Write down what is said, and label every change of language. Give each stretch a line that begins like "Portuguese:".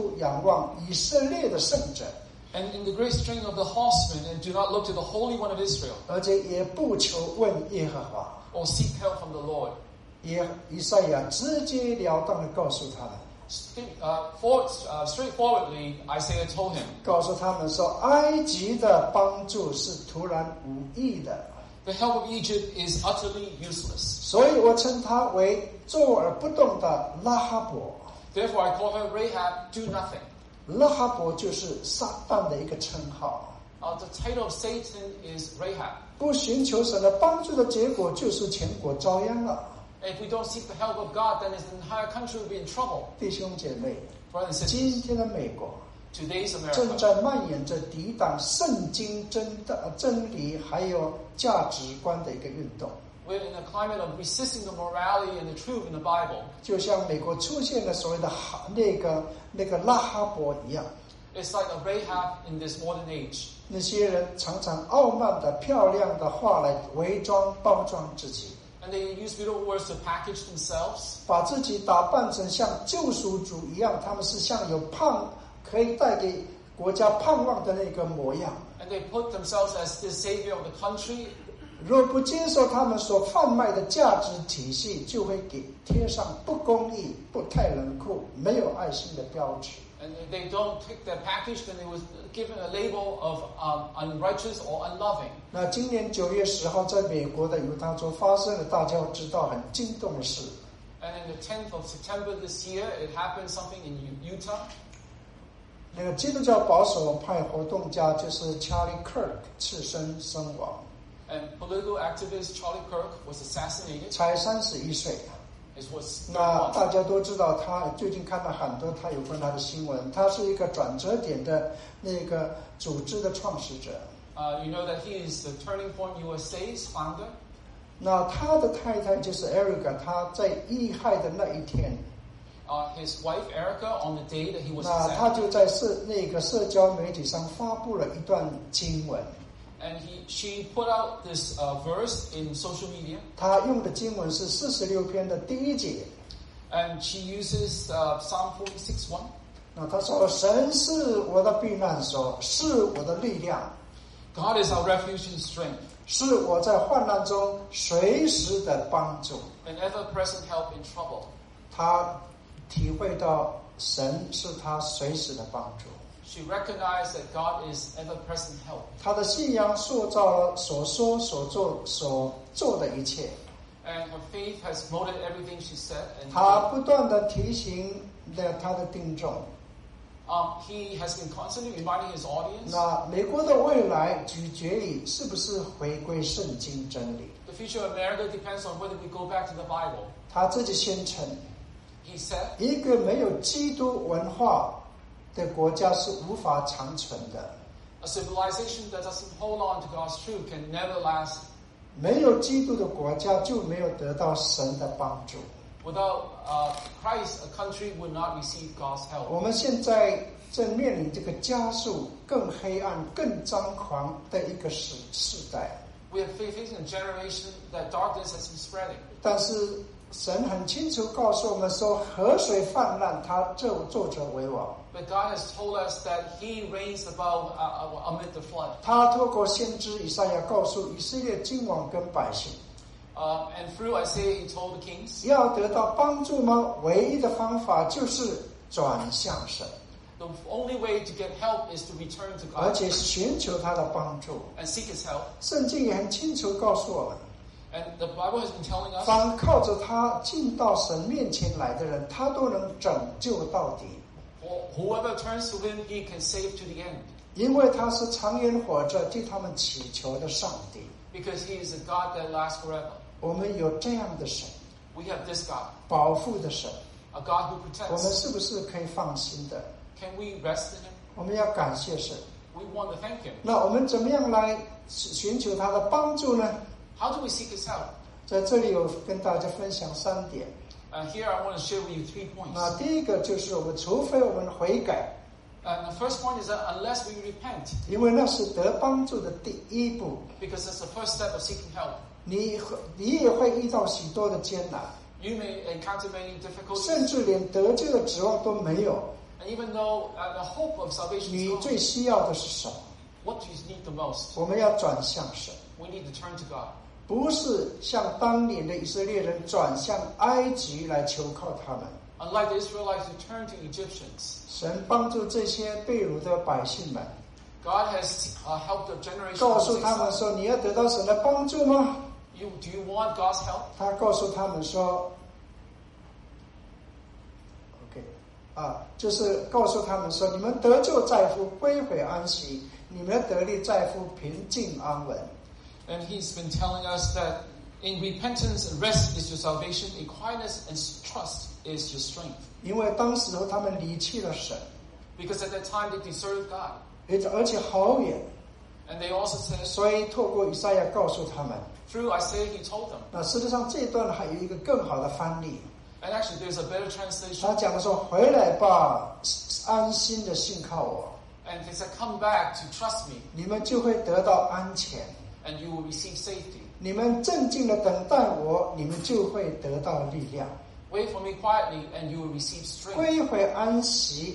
Chinese: 而且并依靠强壮的马兵切不仰望以色列的圣者,
English: and in the great strength of the horsemen, and do not look to the Holy One of Israel,
Chinese: 而且也不求问耶和华,
English: or seek help from the Lord.
Chinese: 以赛亚直截了当地告诉他们,
English: straightforwardly, Isaiah told him,
Chinese: 告诉他们说, 埃及的帮助是徒然无益的,
English: the help of Egypt is utterly useless.
Chinese: 所以我称他为坐而不动的拉哈伯,
English: therefore I call her Rahab, do nothing.
Chinese: 拉哈伯就是撒旦的一个称号,
English: the title of Satan is Rahab.
Chinese: 不寻求神的帮助的结果就是全国遭殃了,
English: if we don't seek the help of God, then the entire country will be in trouble.
Chinese: 弟兄姐妹,
English: brothers and sisters,
Chinese: 今天的美国,
English: today's America
Chinese: 正在蔓延着抵挡圣经真的真理还有价值观的一个运动。
English: We're in a climate of resisting the morality and the truth in the Bible.
Chinese: 就像美国出现了所谓的那个拉哈伯一样。
English: It's like a Rahab in this modern age.
Chinese: 那些人常常傲慢的、漂亮的话来伪装、包装自己。
English: And they use beautiful words to package themselves.
Chinese: 把自己打扮成像救赎主一样，他们是像有盼可以带给国家盼望的那个模样。
English: And they put themselves as the savior of the country.
Chinese: 若不接受他们所贩卖的价值体系，就会给贴上不公义、不太冷酷、没有爱心的标志。
English: And if they don't take their package, then they were given a label of unrighteous or unloving.
Chinese: 那今年九月十号，在美国的犹他州发生了大家知道很惊动的事。
English: And in the 10th of September this year, it happened something in Utah.
Chinese: 那个基督教保守派活动家就是 Charlie Kirk 刺身身亡。
English: And political activist Charlie Kirk was assassinated.
Chinese: 才31岁。那大家都知道他最近看到很多他有关他的新闻他是一个转折点的那个组织的创始者、
English: you know that he is the Turning Point USA's founder
Chinese: 那他的太太就是 Erica 他在遇害的那一天、
English: his wife Erica on the day that he was
Chinese: 那他就在那个社交媒体上发布了一段经文
English: And she put out this verse in social media.
Chinese: 她用的经文是46篇的第一节。
English: And she uses Psalm 46:1.
Chinese: 那她说：“神是我的避难所，是我的力量。
English: ”God is our refuge and strength.
Chinese: 是我在患难中随时的帮助。
English: An ever-present help in trouble.
Chinese: 她体会到神是她随时的帮助。
English: She recognized that God is ever-present help.
Chinese: 他的信仰塑造了所说所做所做的一切。
English: And her faith has molded everything she said.
Chinese: 他不断地提醒了他的听众。
English: He has been constantly reminding his audience.
Chinese: 那美国的未来取决于是不是回归圣经真理。
English: The future of America depends on whether we go back to the Bible.
Chinese: 他自己宣称。
English: He said.
Chinese: 一个没有基督文化。的国家是无法长存的。
English: A civilization that doesn't hold on to God's truth can never last.
Chinese: 没有基督的国家就没有得到神的帮助。
English: Without Christ, a country would not receive God's help.
Chinese: 我们现在正面临这个加速、更黑暗、更张狂的一个时代。
English: We are facing a generation that darkness has been spreading.
Chinese: 但是神很清楚告诉我们说，河水泛滥，他就坐着为王。
English: But God has told us that He reigns above amid the flood.
Chinese: 他透过先知以赛亚告诉以色列君王跟百姓。
English: And through Isaiah, He told the kings.
Chinese: 要得到帮助吗？唯一的方法就是转向神。
English: The only way to get help is to return to God.
Chinese: 而且寻求他的帮助。
English: And seek His help.
Chinese: 圣经也很清楚告诉我们。
English: And the Bible has been telling us,
Chinese: 凡靠着他进到神面前来的人，他都能拯救到底。
English: Whoever turns to him, he can save to the end.
Chinese: 因为他是常燃火着替他们祈求的上帝。
English: Because he is a God that lasts forever.
Chinese: 我们有这样的神。
English: We have this God.
Chinese: 保护的神。
English: A God who protects.
Chinese: 我们是不是可以放心的？
English: Can we rest in him?
Chinese: 我们要感谢神。
English: We want to thank him.
Chinese: 那我们怎么样来寻求他的帮助呢？
English: How do we seek His help?
Chinese: 在这里我跟大家分享三点。
English: Here I want to share with you three points.
Chinese: 那第一个就是我们除非我们悔改。
English: The first point is that unless we repent.
Chinese: 因为那是得帮助的第一步。
English: Because that's the first step of seeking help.
Chinese: 你也会遇到许多的艰难。
English: You may encounter many difficulties.
Chinese: 甚至连得救的指望都没有。
English: And even though the hope of salvation is gone.
Chinese: 你最需要的是什么？
English: What do you need the most?
Chinese: 我们要转向神。
English: We need to turn to God.
Chinese: 不是像当年的以色列人转向埃及来求靠他们。
English: Unlike the Israelites who turned to Egyptians.
Chinese: 神帮助这些被掳的百姓们。
English: God has helped a generation.
Chinese: 告诉他们说：“你要得到神的帮助吗？”
English: Do you want God's help?
Chinese: 他告诉他们说 ：“OK， 啊，就是告诉他们说，你们得救在乎归回安息，你们得力在乎平静安稳。”
English: And he's been telling us that in repentance and rest is your salvation, in quietness and trust is your strength.
Chinese: Because 当时候他们离弃了神
English: Because at that time they deserved God.
Chinese: 而且好远,
English: and they also said,
Chinese: 所以透过以赛亚告诉他们,
English: through Isaiah, he told them.
Chinese: 那事实上这一段还有一个更好的翻译,
English: and actually, there's a better translation.
Chinese: 他讲说, 回来吧, 安心地信靠我,
English: and he said, come back to trust me.
Chinese: 你们就会得到安全,
English: and you will receive safety.
Chinese: 你们镇静地等待我, 你们就会得到力量。
English: Wait for me quietly, and you will receive strength.